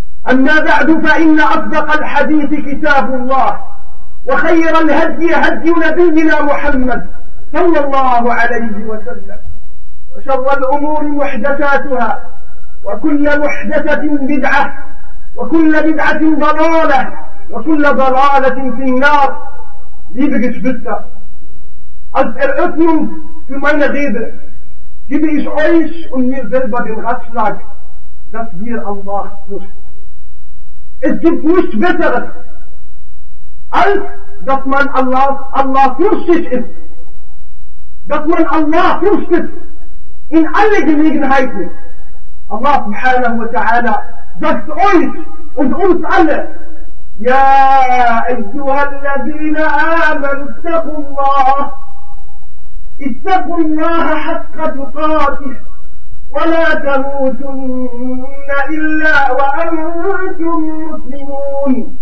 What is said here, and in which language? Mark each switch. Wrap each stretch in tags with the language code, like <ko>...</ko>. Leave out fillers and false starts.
<ar>أما بعد، فإن أصدق الحديث كتاب الله وخير الهدي هدي نبينا محمد صلى الله عليه وسلم، وشر الأمور محدثاتها وكل محدثة بدعة وكل بدعة ضلالة وكل ضلالة في النار.</ar> <de>Liebe Geschwister, als Eröffnung für meine Rede gebe ich euch und mir selber den Ratschlag, dass wir Allah fürchten. Es gibt nichts Besseres, als dass man Allah fürchtet ist. Dass man Allah fürchtet in alle Gelegenheiten. Allah subhanahu wa ta'ala sagt euch und uns alle:</de> <ar>يا أيها الذين آمنوا اتقوا الله اتقوا الله حق تقاته ولا تموتن إلا وأنتم مسلمون.</ar>